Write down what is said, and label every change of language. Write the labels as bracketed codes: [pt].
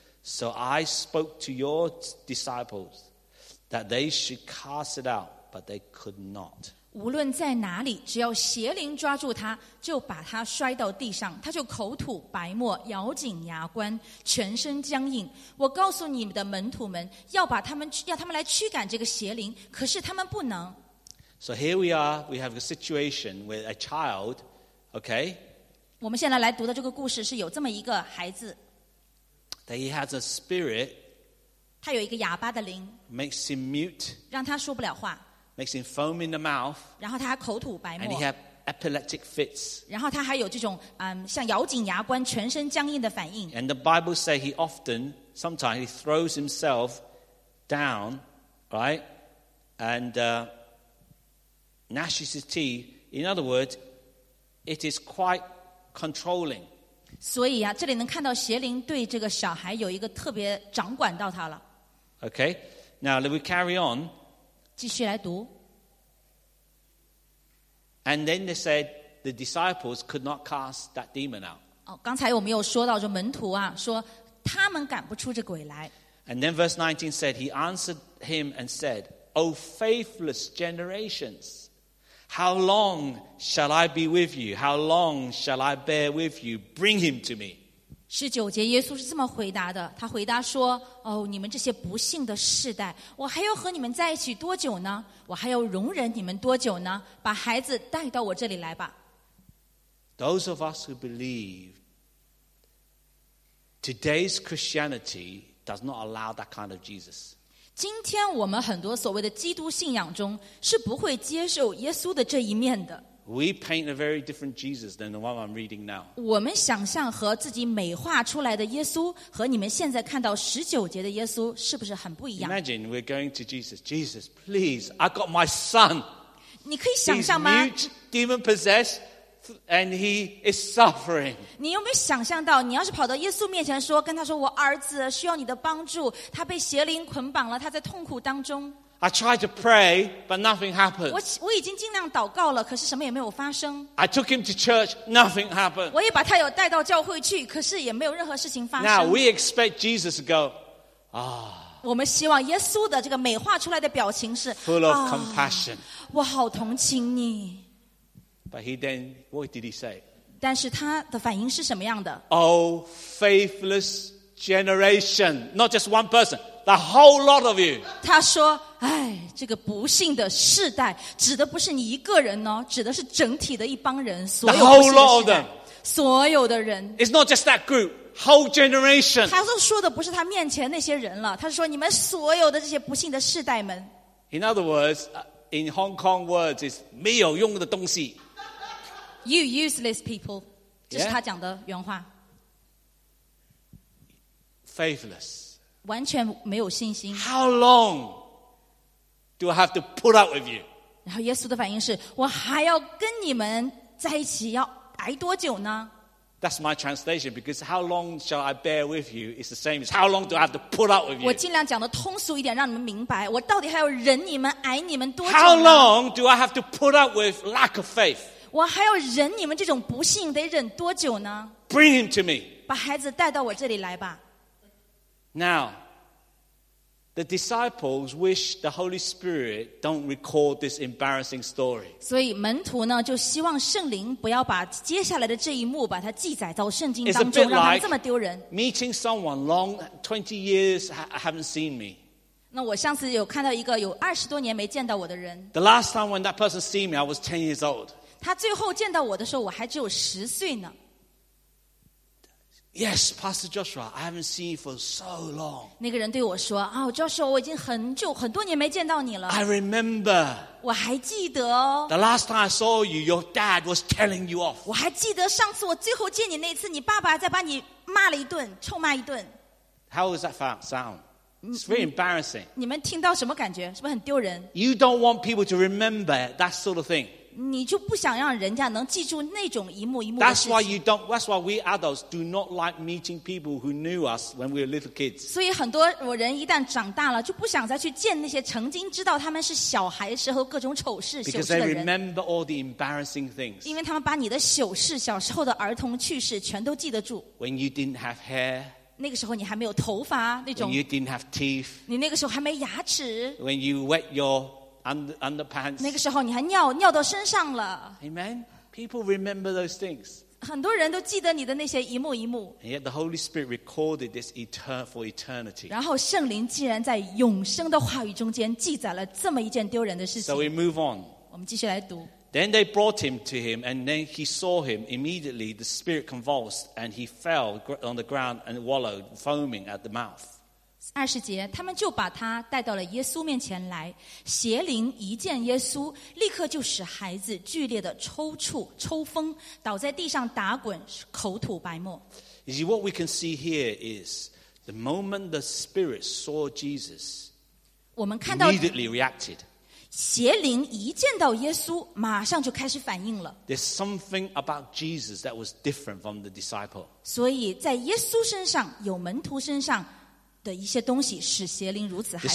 [en] So I spoke to your disciples that they should cast it out, but they could not. [zh] 无论在哪里，只要邪灵抓住他，就把他摔到地上，他就口吐白沫，咬紧牙关，全身僵硬。我告诉你们的门徒们，要他们来驱赶这个邪灵，可是他们不能。 [en] So here we are, we have a situation with a child, okay? [zh] 我们现在来读的这个故事是有这么一个孩子。 [en] That he has a spirit. [zh] 他有一个哑巴的灵。 [en] Makes him mute. [zh] 让他说不了话。 [en] Makes him foam in the mouth. [zh] 然后他还口吐白沫。 [en] And he has epileptic fits. [zh] 然后他还有这种像咬紧牙关、全身僵硬的反应。 [en] And the Bible says he often, sometimes he throws himself down, right? And gnashes his teeth. In other words, it is quite controlling. [zh] 所以啊，这里能看到邪灵对这个小孩有一个特别掌管到他了。 [en] Okay, now let me carry on. [zh] 继续来读。 [en] And then they said the disciples could not cast that demon out. [zh] 哦，刚才我们有说到这门徒啊，说他们赶不出这鬼来。 [en] And then verse 19 said, he answered him and said, O faithless generations, how long shall I be with you? How long shall I bear with you? Bring him to me. [zh] 十九节，耶稣是这么回答的。他回答说：哦，你们这些不幸的世代，我还要和你们在一起多久呢？我还要容忍你们多久呢？把孩子带到我这里来吧。 [en] Those of us who believe, today's Christianity does not allow that kind of Jesus. [zh] 今天我们很多所谓的基督信仰中是不会接受耶稣的这一面的。 [en] We paint a very different Jesus than the one I'm reading now. [zh] 我们想象和自己美化出来的耶稣和你们现在看到十九节的耶稣是不是很不一样？ [en] Imagine we're going to Jesus. Jesus, please, I got my son. [zh] 你可以想象吗？ [en] He's mute, demon possessed, and he is suffering. [zh] 你有没有想象到，你要是跑到耶稣面前说，跟他说，我儿子需要你的帮助，他被邪灵捆绑了，他在痛苦当中。 [en] I tried to pray, but nothing happened. [zh] 我已经尽量祷告了，可是什么也没有发生。 [en] I took him to church, nothing happened. [zh] 我也把他有带到教会去，可是也没有任何事情发生。 [en] Now we expect Jesus to go, ah. [zh] 我们希望耶稣的这个美化出来的表情是 [en] full of compassion. [zh] 我好同情你。 [en] But he then, what did he say? [zh] 但是他的反应是什么样的？ [en] Oh, faithless generation, not just one person. The whole lot of you. [zh] 他说：“哎，这个不幸的世代，指的不是你一个人哦，指的是整体的一帮人，所有的世代，所有的人。 [en] It's not just that group, whole generation. [zh] 他说的不是他面前那些人了，他说你们所有的这些不幸的世代们。 [en] In other words, in Hong Kong words, it's [zh] 没有用的东西。 [en] You useless people. [zh] 这是他讲的原话。 [en] Faithless. [zh] 完全没有信心。 [en] How long do I have to put up with you? [zh] 然后耶稣的反应是：我还要跟你们在一起，要挨多久呢？ [en] That's my translation because how long shall I bear with you is the same as how long do I have to put up with you? [zh] 我尽量讲的通俗一点，让你们明白，我到底还要忍你们、挨你们多久呢？ [en] How long do I have to put up with lack of faith? [zh] 我还要忍你们这种不信，得忍多久呢？ [en] Bring him to me. [zh] 把孩子带到我这里来吧。 [en] Now, the disciples wish the Holy Spirit don't record this embarrassing story. [zh] 所以门徒呢就希望圣灵不要把接下来的这一幕把它记载到圣经当中，让他们这么丢人。 [en] Meeting someone long 20 years haven't seen me. [zh] 那我上次有看到一个有二十多年没见到我的人。 [en] The last time when that person see me, I was 10 years old. [zh] 他最后见到我的时候，我还只有十岁呢。 [en] Yes, Pastor Joshua, I haven't seen you for so long. [zh] 那个人对我说，哦，Joshua，我已经很久，很多年没见到你了。 [en] I remember. [zh] 我还记得哦。 [en] The last time I saw you, your dad was telling you off. [zh] 我还记得上次我最后见你那次，你爸爸在把你骂了一顿，臭骂一顿。 [en] How does that sound? It's very embarrassing. [zh] 你们听到什么感觉？是不是很丢人？ [en] You don't want people to remember that sort of thing. [zh] 你就不想让人家能记住那种一幕一幕的事情。 [en] That's why you don't. That's why we adults do not like meeting people who knew us when we were little kids. [zh] 所以很多人一旦长大了，就不想再去见那些曾经知道他们是小孩时候各种丑事、羞事的人。 [en] Because they remember all the embarrassing things. [zh] 因为他们把你的糗事、小时候的儿童趣事全都记得住。 [en] When you didn't have hair. [zh] 那个时候你还没有头发那种。 [en] When you didn't have teeth, [zh] 你那个时候还没牙齿。 [en] When you wet your underpants, [zh] 那个时候你还尿到身上了。 [en] Amen. People remember those things. [zh] 很多人都记得你的那些一幕一幕。 [en] And yet the Holy Spirit recorded this for eternity. [zh] 然后圣灵竟然在永生的话语中间记载了这么一件丢人的事情。 [en] So we move on. [zh] 我们继续来读。 [en] Then they brought him to him, and then he saw him. Immediately, the spirit convulsed, and he fell on the ground and wallowed, foaming at the mouth. [zh] 二十节，他们就把他带到了耶稣面前来。邪灵一见耶稣，立刻就使孩子剧烈的抽搐、抽风，倒在地上打滚，口吐白沫。 [en] You see, what we can see here is the moment the spirit saw Jesus, immediately reacted. [zh] 邪灵一见到耶稣，马上就开始反应了。 [en] There's something about Jesus that was different from the disciple. [zh] 所以在耶稣身上，有门徒身上的一些东西，使邪灵如此害怕。